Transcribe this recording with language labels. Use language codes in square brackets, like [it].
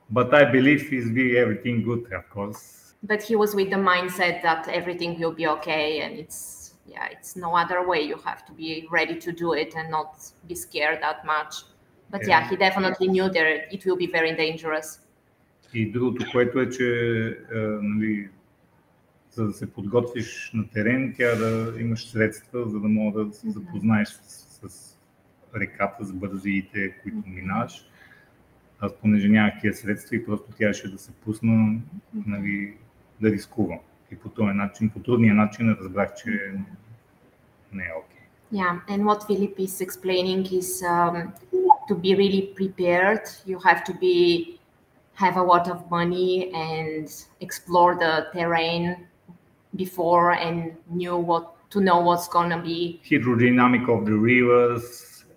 [en] But I believe it will be everything good, of course. But he was with the mindset that everything will be okay. And it's no other way. You have to be ready to do it and not be scared that much. But yeah, he definitely knew that it will be very dangerous. [bg] И другото, което е, че нали, за да се подготвиш на терен, трябва да имаш средства, за да може да се запознаеш с реката, с бързиите, които минаваш. Аз понеже нямах тия средства и просто трябваше да се пусна, нали, да рискувам. И по този начин, по трудния начин разбрах, че не е окей. [en] Yeah, and what Philip is explaining is to be really prepared, you have to have a lot of money and explore the terrain before and knew what to know what's gonna be. Hydrodynamic of the rivers.